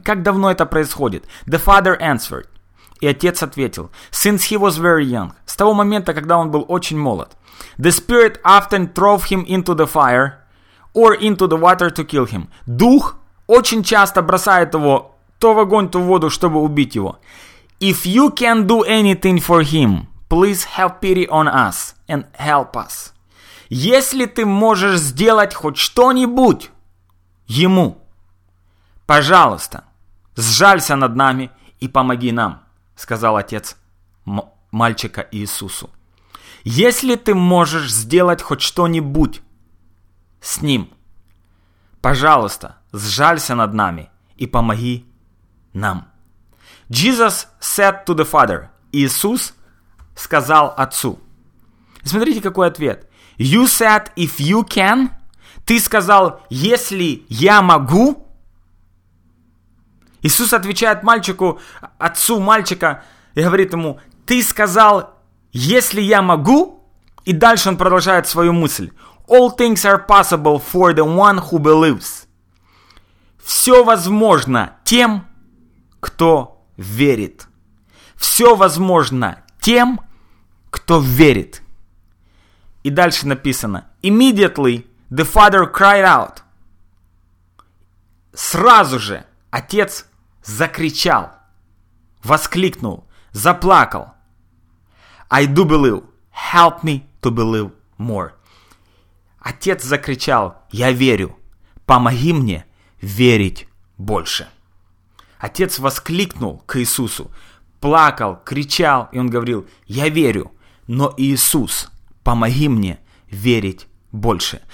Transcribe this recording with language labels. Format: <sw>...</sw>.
<ru>Как давно это происходит?</ru> <en>The father answered.</en> <ru>И отец ответил.</ru> <en>Since he was very young.</en> <ru>С того момента, когда он был очень молод.</ru> <en>The spirit often threw him into the fire or into the water to kill him.</en> <ru>Дух очень часто бросает его то в огонь, то в воду, чтобы убить его.</ru> <en>If you can do anything for him, please have pity on us and help us.</en> <ru>Если ты можешь сделать хоть что-нибудь ему, пожалуйста, сжалься над нами и помоги нам, сказал отец мальчика Иисусу. Если ты можешь сделать хоть что-нибудь с ним, пожалуйста, сжалься над нами и помоги нам.</ru> <en>Jesus said to the Father.</en> <ru>Иисус сказал Отцу. Смотрите, какой ответ.</ru> <en>You said, if you can.</en> <ru>Ты сказал, если я могу. Иисус отвечает мальчику, отцу мальчика, и говорит ему, ты сказал, если я могу. И дальше он продолжает свою мысль.</ru> <en>All things are possible for the one who believes.</en> <ru>Все возможно тем, кто верит. Все возможно тем, кто верит. И дальше написано.</ru> <en>Immediately the father cried out.</en> <ru>Сразу же отец закричал, воскликнул, заплакал.</ru> <en>I do believe. Help me to believe more.</en> <ru>Отец закричал, я верю. Помоги мне верить больше. Отец воскликнул к Иисусу, плакал, кричал, и он говорил, я верю, но Иисус, помоги мне верить больше.</ru>